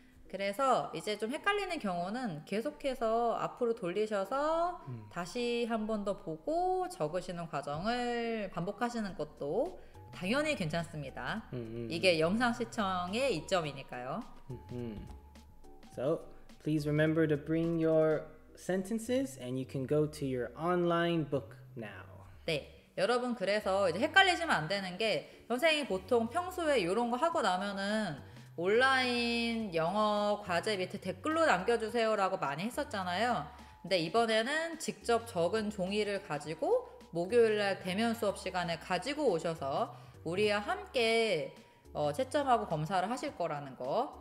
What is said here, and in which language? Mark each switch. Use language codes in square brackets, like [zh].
[ko] 그래서 이제 좀 헷갈리는 경우는 계속해서 앞으로 돌리셔서 다시 한 번 더 보고 적으시는 과정을 반복하시는 것도 당연히 괜찮습니다. 이게 영상 시청의 이점이니까요. [en] So, please remember to bring your sentences and you can go to your online book now. [ko] 네. 여러분 그래서 이제 헷갈리시면 안 되는 게 선생님이 보통 평소에 이런 거 하고 나면은 온라인 영어 과제 밑에 댓글로 남겨주세요 라고 많이 했었잖아요. 근데 이번에는 직접 적은 종이를 가지고 목요일날 대면 수업 시간에 가지고 오셔서 우리와 함께 채점하고 검사를 하실 거라는 거.